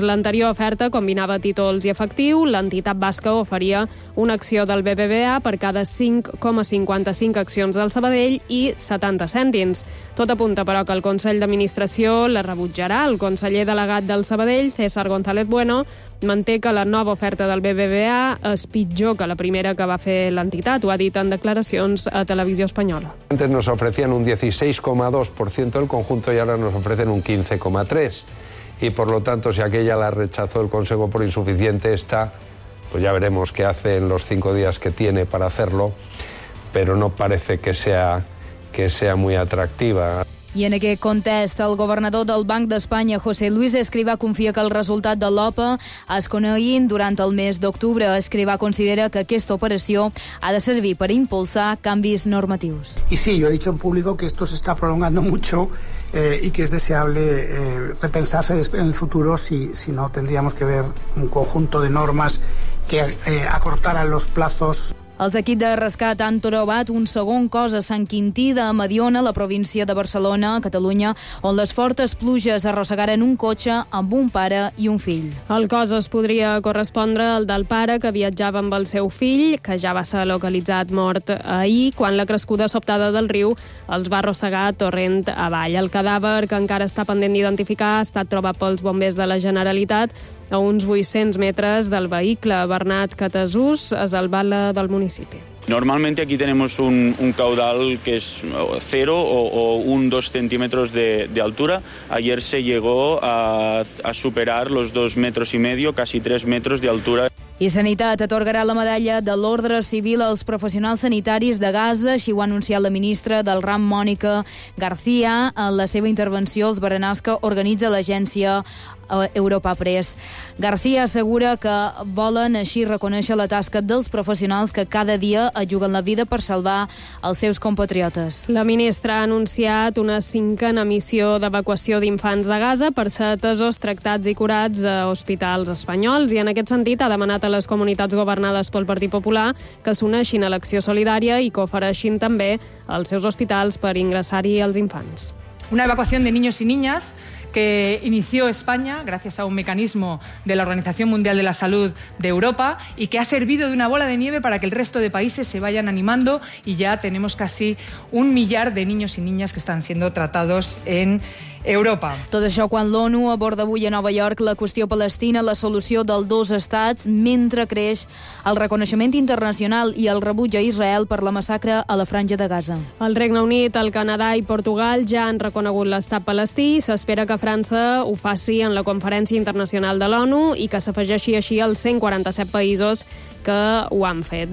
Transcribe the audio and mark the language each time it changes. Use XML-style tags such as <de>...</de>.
<ca>L'anterior oferta combinava títols i efectiu. L'entitat basca oferia una acció del BBVA per cada 5,55 accions del Sabadell i 70 cèntims. Tot apunta, però, que el Consell d'Administració la rebutjarà. El conseller delegat del Sabadell, César González Bueno, manté que la nova oferta del BBVA és pitjor que la primera que va fer l'entitat, ho ha dit en declaracions a Televisió Espanyola.</ca> <es>Antes nos ofrecían un 16,2% del conjunto y ahora nos ofrecen un 15,3%. Y por lo tanto, si aquella la rechazó el Consejo por insuficiente, esta, pues ya veremos qué hace en los cinco días que tiene para hacerlo, pero no parece que sea muy atractiva.</es> <ca>I en aquest context, el governador del Banc d'Espanya, José Luis Escrivá, confia que el resultat de l'OPA es coneguin durant el mes d'octubre. Escrivá considera que aquesta operació ha de servir per impulsar canvis normatius.</ca> <es>Y sí, yo he dicho en público que esto se está prolongando mucho y que es deseable repensarse en el futuro si no tendríamos que ver un conjunto de normas que acortaran los plazos.</es> <ca>Els equips de rescat han trobat un segon cos a Sant Quintí de Mediona, la província de Barcelona, Catalunya, on les fortes pluges arrossegaren un cotxe amb un pare i un fill. El cos es podria correspondre al del pare que viatjava amb el seu fill, que ja va ser localitzat mort ahir, quan la crescuda sobtada del riu els va arrossegar torrent avall. El cadàver, que encara està pendent d'identificar, ha estat trobat pels bombers de la Generalitat a uns 800 metres del vehicle. Bernat Catasús és el bala del municipi.</ca> <es>Normalmente aquí tenemos un caudal que es cero o un dos centímetros de altura. Ayer se llegó a superar los dos metros y medio, casi tres metros de altura.</es> <ca>I Sanitat atorgarà la medalla de l'Ordre Civil als professionals sanitaris de Gaza, així ho ha anunciat la ministra del RAM, Mònica García, en la seva intervenció als berenars que organitza l'agència Europa Press. García assegura que volen així reconèixer la tasca dels professionals que cada dia ajuguen la vida per salvar els seus compatriotes. La ministra ha anunciat una cinquena missió d'evacuació d'infants de Gaza per ser atesos, tractats i curats a hospitals espanyols, i en aquest sentit ha demanat a les comunitats governades pel Partit Popular que s'uneixin a l'acció solidària i que ofereixin també els seus hospitals per ingressar-hi els infants.</ca> <es>Una evacuació de niños y niñas que inició España gracias a un mecanismo de la Organización Mundial de la Salud de Europa y que ha servido de una bola de nieve para que el resto de países se vayan animando, y ya tenemos casi un millar de niños y niñas que están siendo tratados en Europa.</es> <ca>Tot això quan l'ONU aborda avui a Nova York la qüestió palestina, la solució dels dos estats, mentre creix el reconeixement internacional i el rebuig a Israel per la massacre a la Franja de Gaza. El Regne Unit, el Canadà i Portugal ja han reconegut l'estat palestí i s'espera que França ho faci en la Conferència Internacional de l'ONU i que s'afegeixi així als 147 països que ho han fet.</ca>